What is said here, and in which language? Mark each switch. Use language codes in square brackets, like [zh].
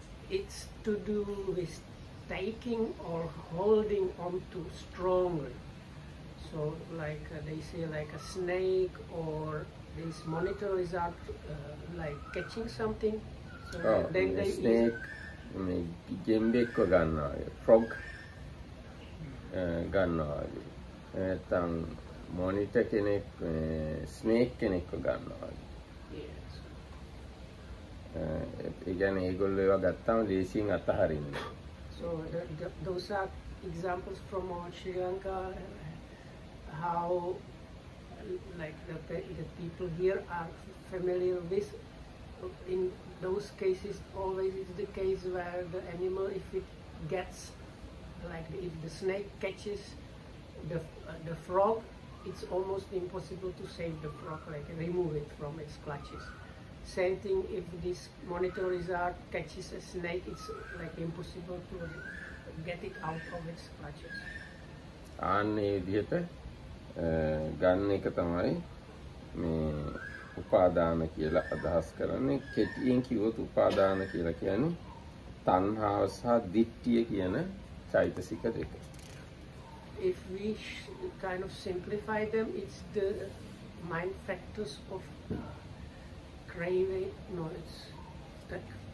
[en] It's to do with taking or holding onto strongly. So like they say, like a snake or this monitor lizard, like catching something. So then they snake. [si] මේ ගෙම්බෙක්ව ගන්නවා ෆ්‍රොග් ගන්නවා නැත්නම් monitor කෙනෙක් snake කෙනෙක්ව ගන්නවා ඒ කියන්නේ ඒගොල්ලෝ ඒවා ගත්තම දේශීයෙන් අතහරින්නේ. [en] So those are examples from Sri Lanka, how like the people here are familiar with. In those cases, always is the case where the animal, if it gets, like if the snake catches the frog, it's almost impossible to save the frog, like remove it from its clutches. Same thing if this monitor lizard catches a snake, it's like impossible to get it out of its clutches. [si] අන්නේ විදිහට ගන්න එක තමයි මේ උපාදාන කියලා අදහස් කරන්නේ. කෙටියෙන් කිව්වොත් උපාදාන කියලා කියන්නේ තණ්හාව සහ දිට්ඨිය කියන චෛතසික දෙක. [en] If we kind of simplify them, it's the mind factors of craving, no, it's that